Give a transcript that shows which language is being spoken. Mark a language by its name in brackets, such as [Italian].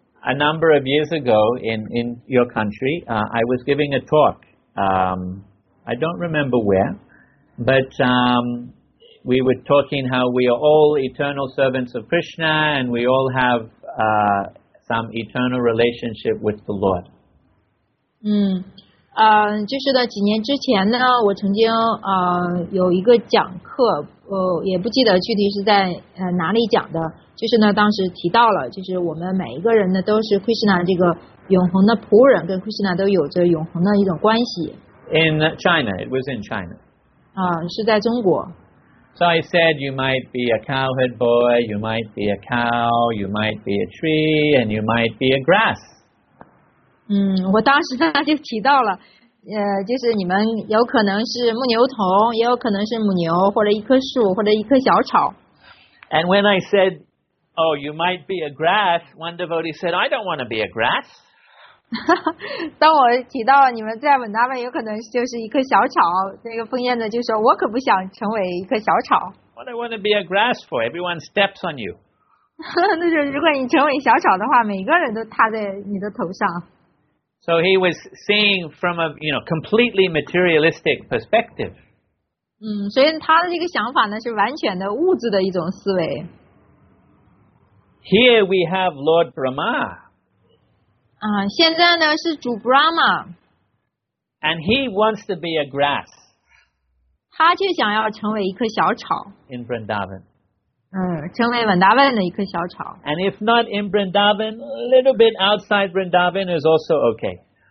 [English] A number of years ago in your country, I was giving a talk. I don't remember where, but We were talking how we are all eternal servants of Krishna and we all have some eternal relationship with the Lord. [Chinese] 就是的几年之前呢我曾经有一个讲课也不记得具体是在哪里讲的就是呢当时提到了就是我们每一个人呢都是 Krishna 这个永恒的仆人跟 Krishna 都有着永恒的一种关系。 [English] In China, it was in China. [Chinese] 是在中国。 [English] So I said, you might be a cowherd boy, you might be a cow, you might be a tree, and you might be a grass. [Chinese] 我当时就提到了，就是你们有可能是牧牛童，也有可能是母牛，或者一棵树，或者一棵小草。 [English] And when I said oh, you might be a grass, one devotee said, I don't want to be a grass. [Chinese] 当我提到你们在文达湾有可能就是一棵小草，那个枫叶呢就说，我可不想成为一棵小草。 [English] What I want to be a grass for? Everyone steps on you. [Chinese] 那就如果你成为小草的话，每个人都踏在你的头上。 [English] So he was seeing from a, you know, completely materialistic perspective. [Chinese] 所以他的这个想法呢是完全的物质的一种思维。 [English] Here we have Lord Brahma. [Chinese] 现在呢是主 Brahma. [English] And he wants to be a grass. [Chinese] 他却想要成为一棵小草。 [English] In Vrindavan. [Chinese] 成为 Vrindavan 的一棵小草。 [English] And if not in Vrindavan, a little bit outside Vrindavan is also okay.